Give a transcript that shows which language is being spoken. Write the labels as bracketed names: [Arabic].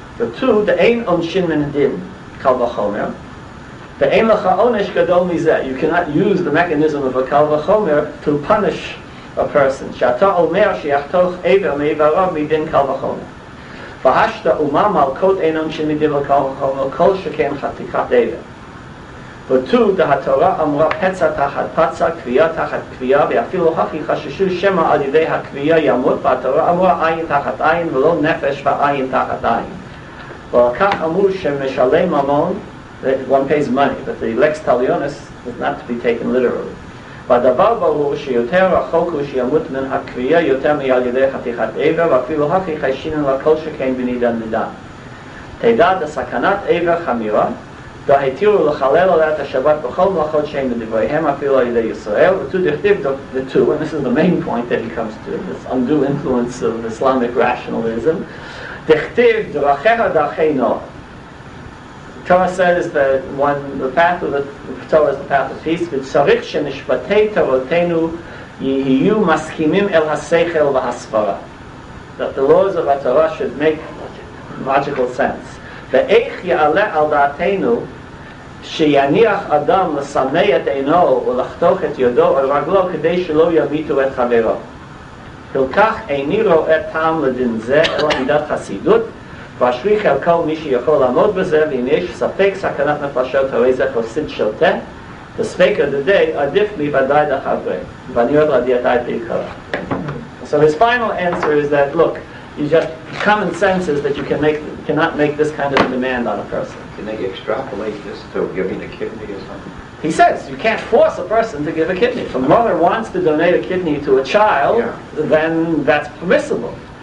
[Hebrew] ותו, דאין עונשין מן הדין, קל וחומר, ואין לך עונש גדול מזה. [English] You cannot use the mechanism of a קל וחומר to punish a person. [Hebrew] שאתה אומר שיחתוך עבר מעברו מדין קל וחומר. והשת אומה מלכות אין עונשין מדין לקל וחומר, כל שכן חתיכת עבר. ותו, דהתורה אמרה פצע תחת פצע, קביעה תחת קביעה, ואפילו הכי חששו שמא על ידי הקביעה ימות, והתורה אמרה עין תחת עין, ולא נפש ועין תחת עין. ועל כך אמרו שמשלם ממון, [English] one pays money, but the lex talionis is not to be taken literally. [Hebrew] והדבר ברור שיותר רחוק הוא שימות מן הקביעה יותר מעל ידי חתיכת עבר, ואפילו הכי חשינו לה כל שכן בנידן נדן. תדע דסכנת עבר חמירה, והתירו לחלל עליה את השבת בכל מלאכות שהן בדבריהם אפילו על ידי ישראל, ותו דכתיב ותו, [English] and this is the main point that he comes to, this undue influence of Islamic rationalism, [Hebrew] דכתיב דרכיה דרכינו. [English] Torah says that the path of peace, [Hebrew] וצריך שנשפטי תורתנו יהיו מסכימים אל השכל והסברה. [English] That the laws of Torah should make logical sense. [Hebrew] ואיך יעלה על דעתנו שיניח אדם לסמא את עינו ולחתוך את ידו או רגלו כדי שלא יביטו את חברו. כלכך איני רואה טעם לדין זה אלא מידת חסידות, ואשריך על כל מי שיכול לעמוד בזה, ואם יש ספק סכנת נפשות הרי זה חוסית שלטה, [English] the speak of the day [Hebrew] עדיף לי ודאי לחברי, ואני עוד רדיעתה את בעיקרה. [English] So his final answer is that, look, you just common sense is that you can make cannot make this kind of a demand on a person. Can they extrapolate this to giving a kidney or something? He says you can't force a person to give a kidney. If a mother wants to donate a kidney to a child, yeah, then that's permissible.